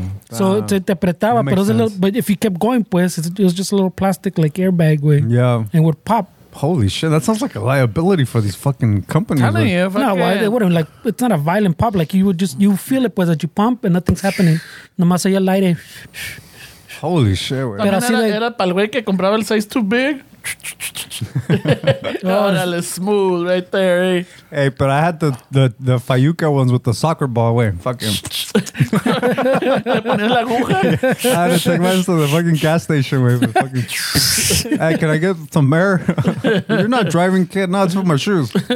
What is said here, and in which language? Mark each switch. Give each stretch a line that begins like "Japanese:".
English: So
Spanish: te apretaba,
English: but if you kept going, pues, it was just a little plastic like airbag, way. Yeah. And it would pop. Holy shit, that sounds like a liability for these fucking companies. Telling you, no, well, they wouldn't, like, it's not a violent pop. Like, you would just, you feel it, pues, that you pump and nothing's happening.
Spanish: Nomás allá el aire.
English: Holy shit,
Spanish: pero así era para el güey que compraba el
English: size too big. Órale, smooth right there, eh? Hey, but I had the Fayuca ones with the soccer ball, güey. Fucking.
Spanish: ¿Te ponías la aguja?
English: I had to take mine to the fucking gas station, güey. Fucking. Hey, can I get some air? You're not driving, kid. No, it's for my shoes.